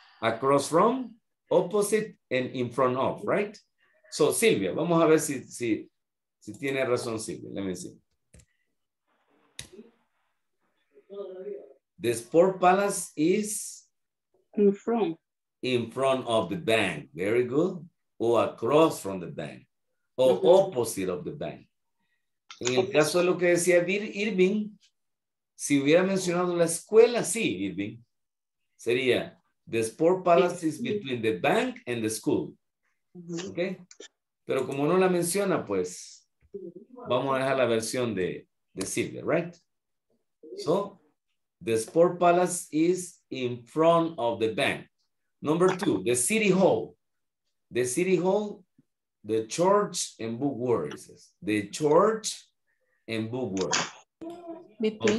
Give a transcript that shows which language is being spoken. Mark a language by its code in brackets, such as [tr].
[en] Across from, opposite, and in front of, right? So, [es] Silvia, vamos a ver si tiene razón Silvia. [en] Let me see. The Sport Palace is? In front. In front of the bank. Very good. Or across from the bank. Or opposite of the bank. [es] En el caso de lo que decía Irving, si hubiera mencionado la escuela, sí, Irving. Sería, [en] the Sport Palace is between the bank and the school. Uh-huh. Okay. [es] Pero como no la menciona, pues, vamos a dejar la versión de Silvia, right? [en] So, the Sport Palace is in front of the bank. Number two, the City Hall. The City Hall, the church and bookworm. The church and bookworm. Between.